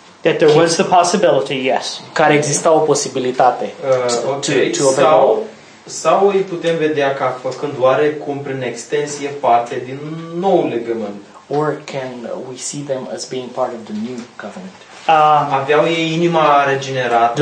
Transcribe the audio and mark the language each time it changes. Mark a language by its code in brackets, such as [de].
[en] that there was the possibility, yes, [ro] care exista o posibilitate [en] to obey. [ro] Sau îi putem vedea ca făcând oarecum prin extensie parte din nou legământ. [en] Or can we see them as being part of the new covenant? [ro] Aveau ei inima regenerată,